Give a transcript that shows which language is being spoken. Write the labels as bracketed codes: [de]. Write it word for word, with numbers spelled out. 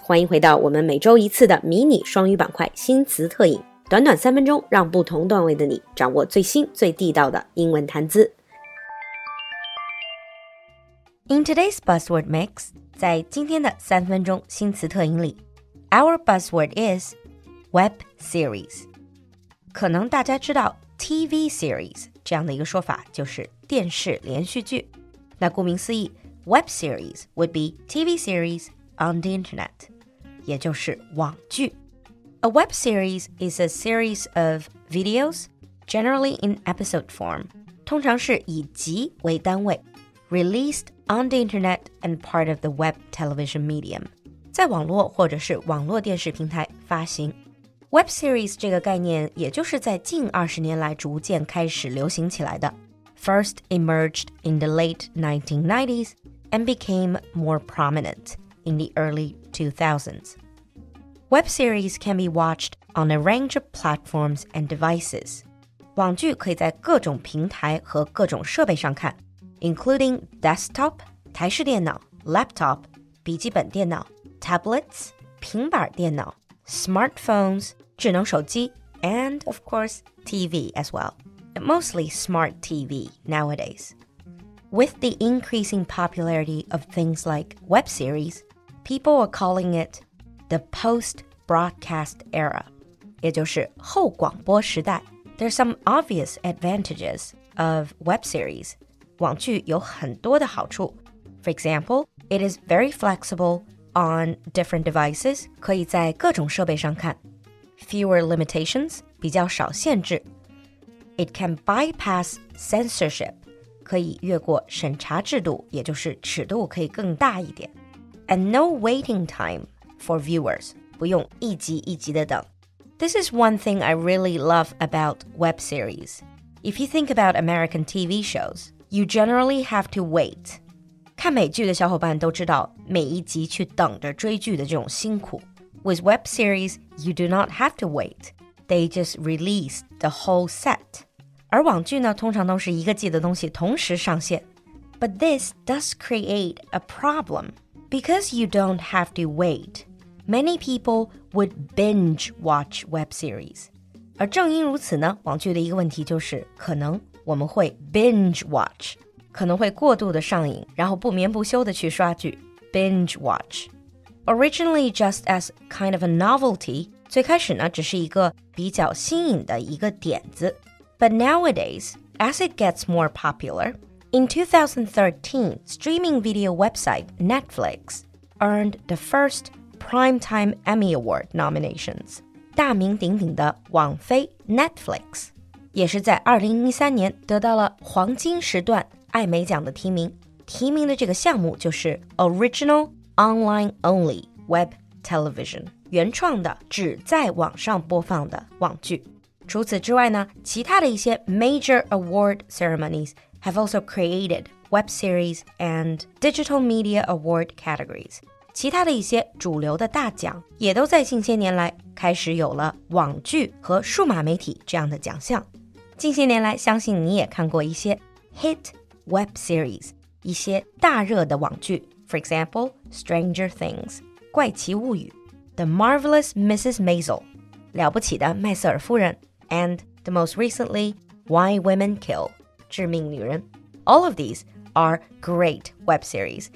[zh] 欢迎回到我们每周一次的迷你双语板块新词特饮，短短三分钟，让不同段位的你掌握最新最地道的英文谈资。 [en] In today's Buzzword Mix, [zh] 在今天的三分钟新词特饮里 [en] ，our buzzword is web series. [zh] 可能大家知道 T V series 这样的一个说法，就是电视连续剧。那顾名思义。 [en] Web series would be T V series on the internet, [zh] 也就是网剧。 [en] A web series is a series of videos, generally in episode form, [zh] 通常是以集为单位 [en] released on the internet and part of the web television medium, [zh] 在网络或者是网络电视平台发行。 Web series 这个概念也就是在近二十年来逐渐开始流行起来的。 [en] First emerged in the late nineteen nineties and became more prominent in the early two thousands. Web series can be watched on a range of platforms and devices. [zh] 网剧可以在各种平台和各种设备上看 [en] including desktop, [zh] 台式电脑 [en] laptop, [zh] 笔记本电脑 [en] tablets, [zh] 平板电脑 [en] smartphones, [zh] 智能手机 [en] and of course T V as well. Mostly smart T V nowadays. With the increasing popularity of things like web series, people are calling it the post-broadcast era, [zh] 也就是后广播时代。 [en] There's some obvious advantages of web series. [zh] 网剧有很多的好处。 [en] For example, it is very flexible on different devices, [zh] 可以在各种设备上看。 [en] Fewer limitations, [zh] 比较少限制。 [en] It can bypass censorship, [zh] 可以越过审查制度，也就是尺度可以更大一点。 [en] And no waiting time for viewers, [zh] 不用一集一集的等。 [en] This is one thing I really love about web series. If you think about American T V shows, you generally have to wait. [zh] 看美剧的小伙伴都知道每一集去等着追剧的这种辛苦。 [en] With web series, you do not have to wait. They just released the whole set. [zh] 而网剧呢，通常都是一个季的东西同时上线。 [en] But this does create a problem. Because you don't have to wait, many people would binge watch web series. [zh] 而正因如此呢，网剧的一个问题就是，可能我们会 binge watch, 可能会过度的上瘾，然后不眠不休的去刷剧。 [en] Binge watch. Originally just as kind of a novelty, [zh] 最开始呢只是一个比较新颖的一个点子 [en] But nowadays, as it gets more popular, in twenty thirteen, streaming video website Netflix earned the first Primetime Emmy Award nominations. [zh] 大名鼎鼎的网飞 Netflix 也是在二零一三年得到了黄金时段艾美奖的提名。提名的这个项目就是 Original Online Only Web Television. 原创的只在网上播放的网剧。除此之外呢，其他的一些 [en] major award ceremonies have also created web series and digital media award categories. [zh] 其他的一些主流的大奖也都在近些年来开始有了网剧和数码媒体这样的奖项。近些年来，相信你也看过一些 [en] hit web series, [zh] 一些大热的网剧 [en] For example, Stranger Things, 怪奇物语The Marvelous Missus Maisel, 了不起的麦瑟尔夫人 and the most recently, Why Women Kill, 致命女人 All of these are great web series.